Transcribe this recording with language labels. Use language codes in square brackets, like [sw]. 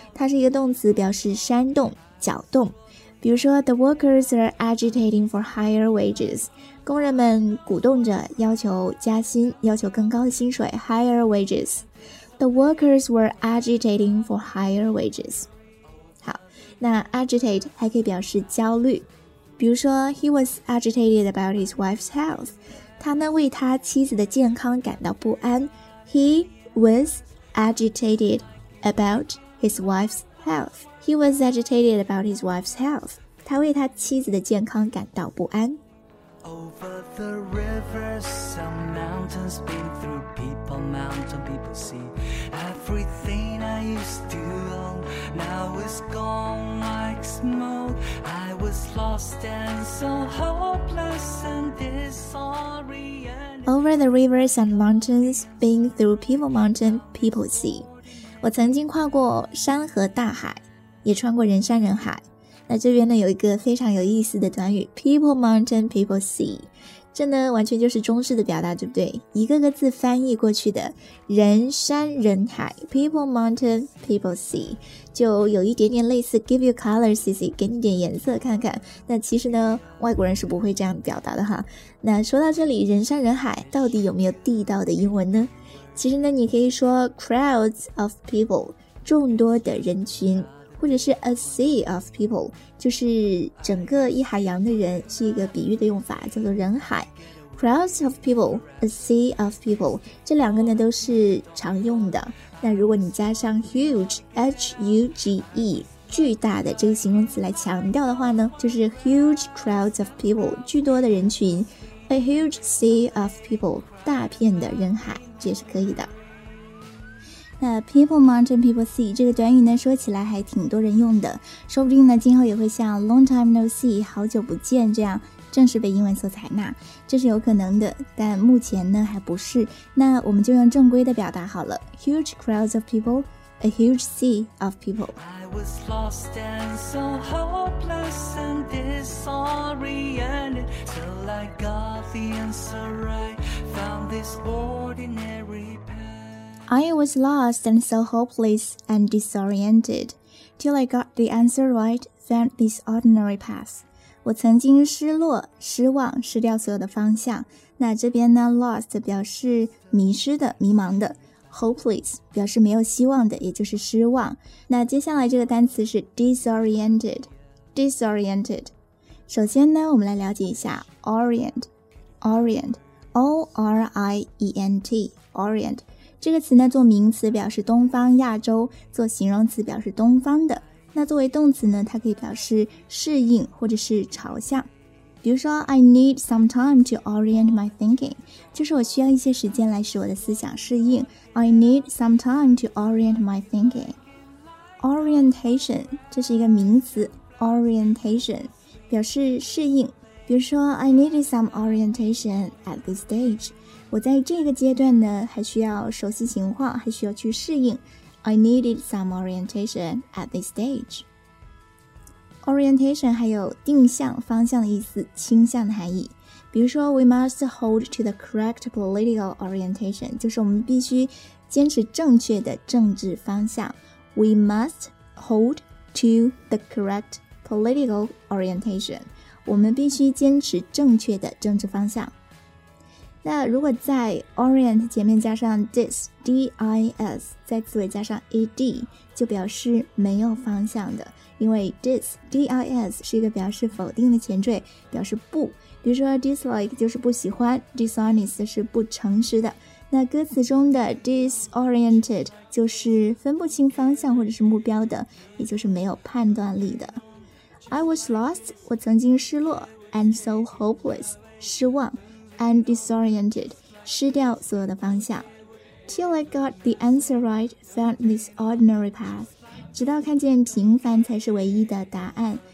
[zh] 它是一个动词，表示煽动搅动。比如说 [en] The workers are agitating for higher wages， [zh] 工人们鼓动着要求加薪，要求更高的薪水， [en] higher wages。 The workers were agitating for higher wages。 [zh] 那 agitate 还可以表示焦虑，比如说 [en] he was agitated about his wife's health， [zh] 他呢为他妻子的健康感到不安。 [en] He was agitated about his wife's health， he was agitated about his wife's health， [zh] 他为他妻子的健康感到不安。 [en] Over the river some mountains been through people mountain people see everything I used to own now is gone like smoke I was lost and so hopeless and disoriented Over the rivers and mountains been through people mountain people see [zh] 我曾经跨过山河大海，也穿过人山人海。那这边呢有一个非常有意思的短语 [en] people mountain people see， [zh] 这呢完全就是中式的表达，对不对？一个个字翻译过去的人山人海 [en] people mountain people sea， [zh] 就有一点点类似 [en] give you color CC， [zh] 给你点颜色看看。那其实呢外国人是不会这样表达的哈。那说到这里，人山人海到底有没有地道的英文呢？其实呢你可以说 [en] crowds of people， [zh] 众多的人群，或者是 [en] a sea of people， [zh] 就是整个一海洋的人，是一个比喻的用法，叫做人海。 [en] crowds of people， a sea of people， [zh] 这两个呢都是常用的。那如果你加上 huge， H-U-G-E， 巨大的这个形容词来强调的话呢，就是 [en] huge crowds of people， [zh] 巨多的人群， [en] a huge sea of people， [zh] 大片的人海，这也是可以的。那 [en] people mountain people sea [zh] 这个短语呢说起来还挺多人用的，说不定呢今后也会像 [en] long time no see [zh] 好久不见这样正式被英文所采纳，这是有可能的，但目前呢还不是。那我们就用正规的表达好了， [en] huge crowds of people， a huge sea of people。 I was lost and so hopeless and disoriented till I got the answer right found this ordinary I was lost and so hopeless and disoriented till I got the answer right, found this ordinary path. [zh] 我曾经失落、失望、失掉所有的方向。那这边呢 lost 表示迷失的、迷茫的， hopeless 表示没有希望的，也就是失望。那接下来这个单词是 disoriented, disoriented。首先呢我们来了解一下 orient, orient, O-R-I-E-N-T, orient。这个词呢做名词表示东方亚洲，做形容词表示东方的。那作为动词呢它可以表示适应或者是朝向。比如说 [en] I need some time to orient my thinking， [zh] 就是我需要一些时间来使我的思想适应。 [en] I need some time to orient my thinking。 [zh] Orientation 这是一个名词， Orientation 表示适应。比如说 [en] I needed some orientation at this stage， [zh] 我在这个阶段呢还需要熟悉情况，还需要去适应。 [en] I needed some orientation at this stage。 [zh] Orientation 还有定向、方向的意思，倾向的含义。比如说 [en] We must hold to the correct political orientation， [zh] 就是我们必须坚持正确的政治方向。 [en] We must hold to the correct political orientation， [zh] 我们必须坚持正确的政治方向。那如果在 orient 前面加上 dis D-I-S 在词尾加上 ed， 就表示没有方向的，因为 dis D-I-S 是一个表示否定的前缀，表示不。比如说 dislike 就是不喜欢， dishonest 是不诚实的。那歌词中的 disoriented 就是分不清方向或者是目标的，也就是没有判断力的。 [en] I was lost [zh] 我曾经失落， [en] and so hopeless [zh] 失望， [en] and disoriented [zh] 失掉所有的方向。 [en] Till I got the answer right found this ordinary path， [zh] 直到看见平凡才是唯一的答案，